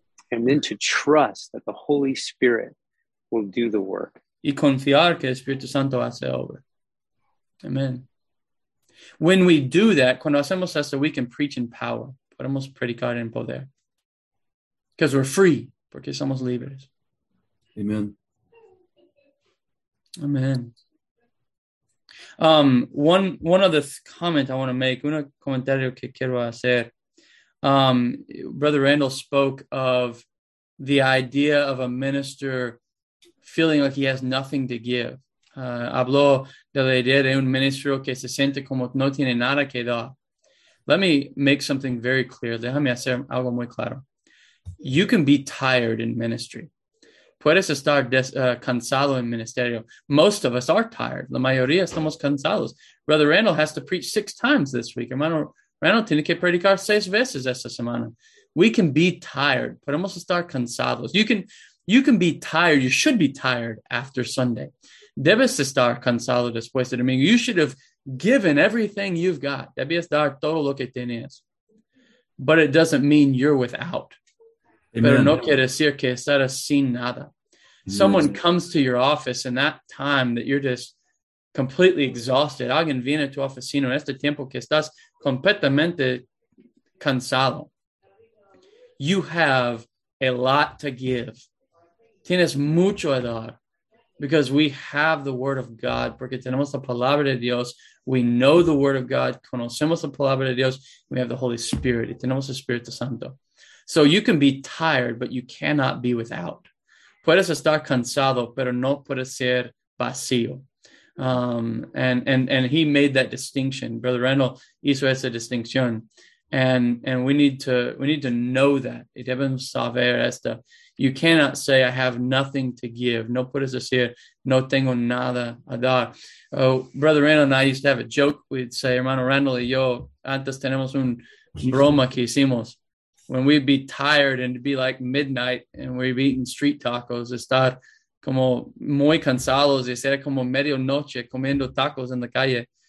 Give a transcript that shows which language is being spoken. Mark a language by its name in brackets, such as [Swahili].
[English] And then to trust that the Holy Spirit will do the work. [Spanish] Y confiar que el Espíritu Santo hace obra. [English] Amen. When we do that, [Spanish] cuando hacemos eso, [English] we can preach in power. [Spanish] Podemos predicar en poder. [English] Because we're free. [Spanish] Porque somos libres. [English] Amen. Amen. One other comment I want to make. [Spanish] Un comentario que quiero hacer. [English] Brother Randall spoke of the idea of a minister feeling like he has nothing to give. [Spanish] Habló de la idea de un ministro que se siente como no tiene nada que dar. [English] Let me make something very clear. [Spanish] Déjame hacer algo muy claro. [English] You can be tired in ministry. [Spanish] Puedes estar cansado en ministerio. [English] Most of us are tired. [Spanish] La mayoría estamos cansados. [English] Brother Randall has to preach 6 times this week. [Spanish] Hermano Randall tiene que predicar 6 veces esta semana. [English] We can be tired. [Spanish] Podemos estar cansados. [English] You can be tired. You should be tired after Sunday. [Spanish] Debes estar cansado después de domingo. [English] You should have given everything you've got. [Spanish] Debes dar todo lo que tienes. [English] But it doesn't mean you're without. Amen. [Spanish] Pero no quiere decir que estás sin nada. [English] Someone comes to your office in that time that you're just completely exhausted. [Spanish] Alguien viene a tu oficina en este tiempo que estás completamente cansado. [English] You have a lot to give. [Spanish] Tienes mucho a dar, [English] because we have the word of God, [Spanish] porque tenemos la palabra de Dios. [English] We know the word of God, [Spanish] conocemos la palabra de Dios, [English] we have the Holy Spirit, [Spanish] y tenemos el Espíritu Santo. [English] So you can be tired, but you cannot be without. [Spanish] Puedes estar cansado, pero no puedes ser vacío. [English] And he made that distinction. Brother Randall [Spanish] hizo esa distinción. [English] And we need to know that. [Spanish] Y debemos saber esto. [English] You cannot say, I have nothing to give. [Spanish] No puedes decir, no tengo nada a dar. [English] Oh, Brother Randall and I used to have a joke. We'd say, [Spanish] hermano Randall y yo, antes tenemos un broma que hicimos. [English] When we'd be tired and it'd be like midnight and we'd be eating street tacos, [Spanish] estar como muy cansados y ser como medio noche comiendo tacos en la calle.